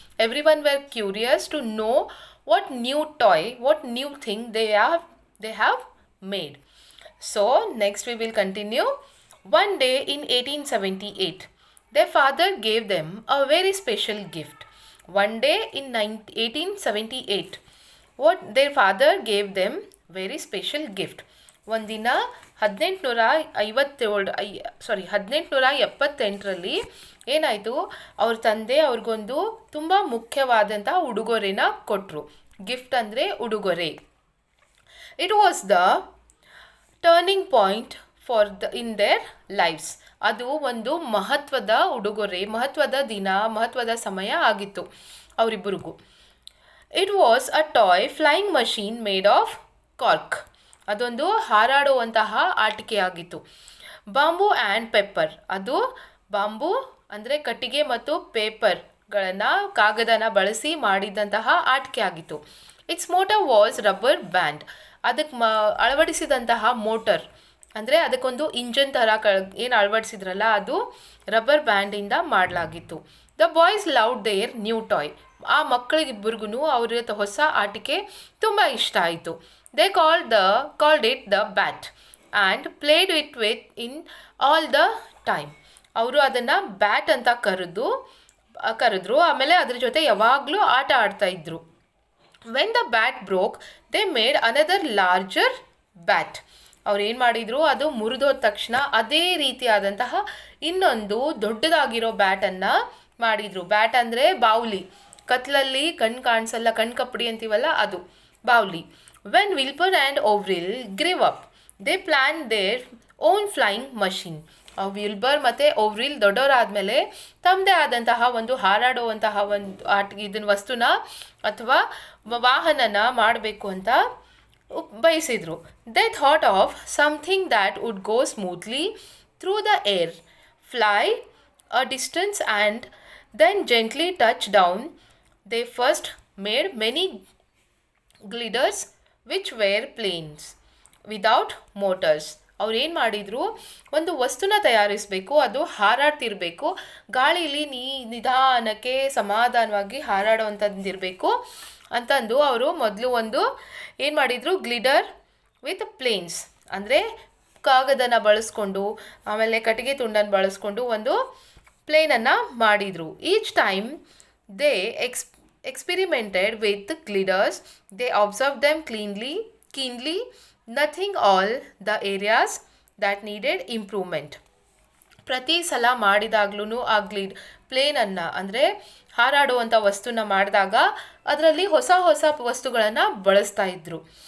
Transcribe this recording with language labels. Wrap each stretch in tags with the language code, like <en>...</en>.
<en>Everyone were curious to know what new toy, what new thing they have made. So next we will continue. One day in 1878, their father gave them a very special gift. One day in 1878, what their father gave them very special gift.</en> <kn>ಒಂದಿನ 1878ರಲ್ಲಿ ಏನಾಯಿತು, ಅವ್ರ ತಂದೆ ಅವ್ರಿಗೊಂದು ತುಂಬ ಮುಖ್ಯವಾದಂಥ ಉಡುಗೊರೆನ ಕೊಟ್ಟರು. Gift ಅಂದರೆ ಉಡುಗೊರೆ.</kn> <en>It was the turning point for the in their lifes.</en> <kn>ಅದು ಒಂದು ಮಹತ್ವದ ಉಡುಗೊರೆ, ಮಹತ್ವದ ದಿನ, ಮಹತ್ವದ ಸಮಯ ಆಗಿತ್ತು ಅವರಿಬ್ಬರಿಗೂ.</kn> <en>It was a toy flying machine made of cork.</en> <kn>ಅದೊಂದು ಹಾರಾಡುವಂತಹ ಆಟಿಕೆಯಾಗಿತ್ತು.</kn> <en>bamboo and paper,</en> <kn>ಅದು ಬಾಂಬು ಅಂದರೆ ಕಟ್ಟಿಗೆ ಮತ್ತು ಪೇಪರ್ಗಳನ್ನು ಕಾಗದನ ಬಳಸಿ ಮಾಡಿದಂತಹ ಆಟಿಕೆ ಆಗಿತ್ತು.</kn> <en>it's motor was rubber band,</en> <kn>ಅದಕ್ಕೆ ಅಳವಡಿಸಿದಂತಹ ಮೋಟರ್ ಅಂದರೆ ಅದಕ್ಕೊಂದು ಇಂಜನ್ ಥರ ಏನು ಅಳವಡಿಸಿದ್ರಲ್ಲ, ಅದು ರಬ್ಬರ್ ಬ್ಯಾಂಡಿಂದ ಮಾಡಲಾಗಿತ್ತು.</kn> <en>The boys loved their new toy.</en> <kn>ಆ ಮಕ್ಕಳಿಗಿಬ್ಬರಿಗೂ ಅವ್ರ ಹೊಸ ಆಟಿಕೆ ತುಂಬ ಇಷ್ಟ ಆಯಿತು.</kn> <en>They called it the bat and played it with in all the time.</en> <kn>ಅವರು ಅದನ್ನು ಬ್ಯಾಟ್ ಅಂತ ಕರೆದ್ರು. ಆಮೇಲೆ ಅದ್ರ ಜೊತೆ ಯಾವಾಗಲೂ ಆಟ ಆಡ್ತಾ ಇದ್ರು.</kn> <en>When the bat broke they made another larger bat.</en> <kn>ಅವ್ರು ಏನು ಮಾಡಿದರು, ಅದು ಮುರಿದೋದ ತಕ್ಷಣ ಅದೇ ರೀತಿಯಾದಂತಹ ಇನ್ನೊಂದು ದೊಡ್ಡದಾಗಿರೋ ಬ್ಯಾಟನ್ನು ಮಾಡಿದರು. ಬ್ಯಾಟ್ ಅಂದರೆ ಬಾವಲಿ, ಕತ್ತಲಲ್ಲಿ ಕಣ್ಣು ಕಾಣಿಸಲ್ಲ, ಕಣ್ಣು ಕಪ್ಪಡಿ ಅಂತೀವಲ್ಲ ಅದು ಬಾವಲಿ.</kn> <en>When Wilbur and Orville grew up, they planned their own flying machine.</en> <kn>Wilbur ಮತ್ತು Orville ದೊಡ್ಡವರಾದಮೇಲೆ ತಮ್ಮದೇ ಆದಂತಹ ಒಂದು ಹಾರಾಡುವಂತಹ ಒಂದು ಇದನ್ನ ವಸ್ತುನ ಅಥವಾ ವಾಹನನ ಮಾಡಬೇಕು ಅಂತ ಬಯಸಿದರು.</kn> <en>They thought of something that would go smoothly through the air, fly a distance and then gently touch down. They first made many gliders which were planes without motors.</en> <kn>ಅವ್ರು ಏನು ಮಾಡಿದರು, ಒಂದು ವಸ್ತುನ ತಯಾರಿಸಬೇಕು, ಅದು ಹಾರಾಡ್ತಿರಬೇಕು, ಗಾಳಿಲಿ ನಿಧಾನಕ್ಕೆ ಸಮಾಧಾನವಾಗಿ ಹಾರಾಡುವಂಥದ್ದಿರಬೇಕು ಅಂತಂದು ಅವರು ಮೊದಲು ಒಂದು ಏನು ಮಾಡಿದರು,</kn> <en>glider with planes</en> <kn>ಅಂದರೆ ಕಾಗದನ ಬಳಸ್ಕೊಂಡು ಆಮೇಲೆ ಕಟ್ಟಿಗೆ ತುಂಡನ್ನು ಬಳಸ್ಕೊಂಡು ಒಂದು ಪ್ಲೇನನ್ನು ಮಾಡಿದರು.</kn> <en>Each time they experimented with gliders, they observed them keenly, nothing all the areas that needed improvement.</en> <kn>ಪ್ರತಿ ಸಲ ಮಾಡಿದಾಗ್ಲೂ ಆ ಗ್ಲಿಡ್ ಪ್ಲೇನನ್ನು ಅಂದರೆ ಹಾರಾಡುವಂಥ ವಸ್ತುನ ಮಾಡಿದಾಗ ಅದರಲ್ಲಿ ಹೊಸ ಹೊಸ ವಸ್ತುಗಳನ್ನು ಬಳಸ್ತಾ ಇದ್ದರು.</kn>